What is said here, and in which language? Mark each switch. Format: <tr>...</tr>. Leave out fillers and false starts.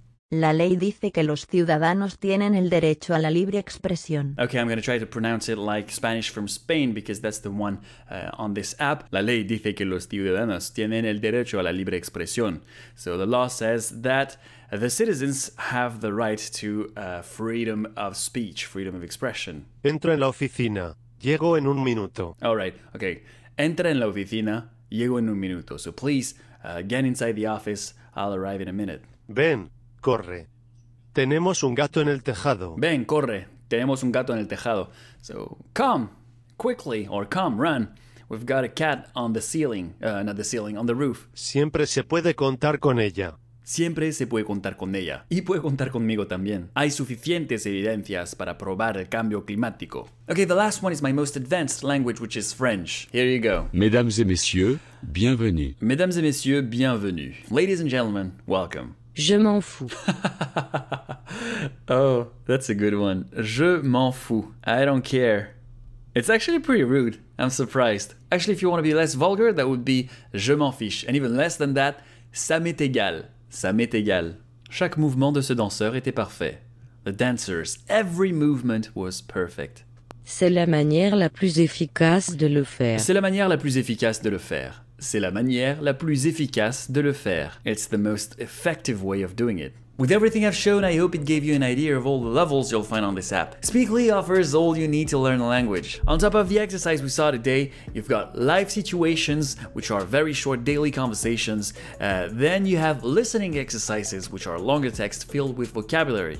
<es>La ley dice que los ciudadanos tienen el derecho a la libre expresión.</es> <en>Okay, I'm going to try to pronounce it like Spanish from Spain because that's the one on this app.</en> <es>La ley dice que los ciudadanos tienen el derecho a la libre expresión.</es> <en>So the law says that the citizens have the right to freedom of speech, freedom of expression.</en> <es>Entra en la oficina. Llego en un minuto.</es> <en>All right, okay.</en> <es>Entra en la oficina. Llego en un minuto.</es> <en>So please, get inside the office. I'll arrive in a minute.</en> <es>Ven. Corre. Tenemos un gato en el tejado. Ven, corre. Tenemos un gato en el tejado.</es> <en>So, come, quickly, or come, run. We've got a cat on the ceiling, not the ceiling, on the roof.</en> <es>Siempre se puede contar con ella. Siempre se puede contar con ella. Y puede contar conmigo también. Hay suficientes evidencias para probar el cambio climático.</es> <en>Okay, the last one is my most advanced language, which is French. Here you go.</en> <fr>Mesdames et messieurs, bienvenue. Mesdames et messieurs, bienvenue.</fr> <en>Ladies and gentlemen, welcome.</en> <fr>Je m'en fous.</fr> <en>Oh, that's a good one.</en> <fr>Je m'en fous.</fr> <en>I don't care. It's actually pretty rude. I'm surprised. Actually, if you want to be less vulgar, that would be</en> <fr>je m'en fiche.</fr> <en>And even less than that,</en> <fr>ça m'est égal. Ça m'est égal. Chaque mouvement de ce danseur était parfait.</fr> <en>The dancers, every movement was perfect.</en> <fr>C'est la manière la plus efficace de le faire. C'est la manière la plus efficace de le faire. C'est la manière la plus efficace de le faire.</fr> <en>It's the most effective way of doing it. With everything I've shown, I hope it gave you an idea of all the levels you'll find on this app. Speakly offers all you need to learn a language. On top of the exercise we saw today, you've got live situations, which are very short daily conversations. Then you have listening exercises, which are longer texts filled with vocabulary.</en>